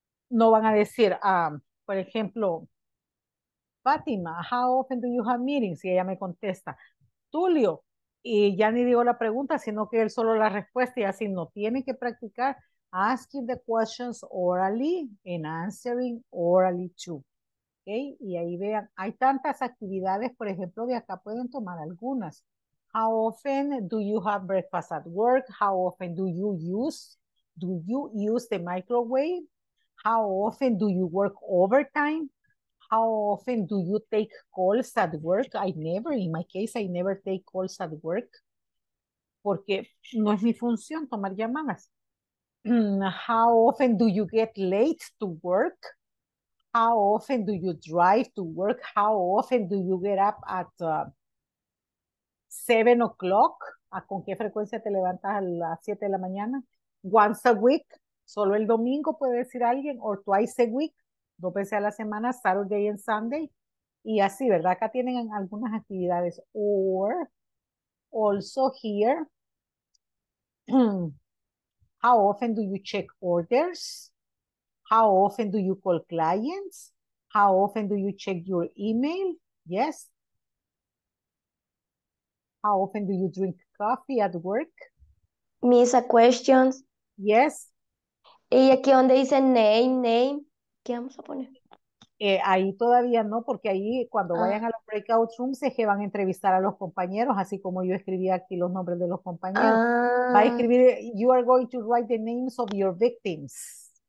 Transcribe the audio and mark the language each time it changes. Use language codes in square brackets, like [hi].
[es] No van a decir, por ejemplo, Fátima, [en] how often do you have meetings? [es] Y ella me contesta, Tulio, y ya ni digo la pregunta, sino que él solo la respuesta y así no tiene que practicar [en] asking the questions orally and answering orally too. [es] ¿Okay? Y ahí vean, hay tantas actividades, por ejemplo, de acá pueden tomar algunas. [en] How often do you have breakfast at work? How often do you use? Do you use the microwave? How often do you work overtime? How often do you take calls at work? I never, in my case, I never take calls at work. [es] Porque no es mi función tomar llamadas. [en] How often do you get late to work? How often do you drive to work? How often do you get up at 7 o'clock? [es] ¿A con qué frecuencia te levantas a las 7 de la mañana? [en] Once a week, [es] solo el domingo puede decir alguien, [en] or twice a week, [es] dos veces a la semana, [en] Saturday and Sunday, [es] y así, ¿verdad? Acá tienen algunas actividades, [en] or, also here, how often do you check orders? How often do you call clients? How often do you check your email? Yes. How often do you drink coffee at work? Miss a question. Yes. [es] ¿Y aquí donde dice name, qué vamos a poner? Ahí todavía no, porque ahí cuando vayan a los breakout rooms es que van a entrevistar a los compañeros, así como yo escribí aquí los nombres de los compañeros. Va a escribir, [en] you are going to write the names of your victims.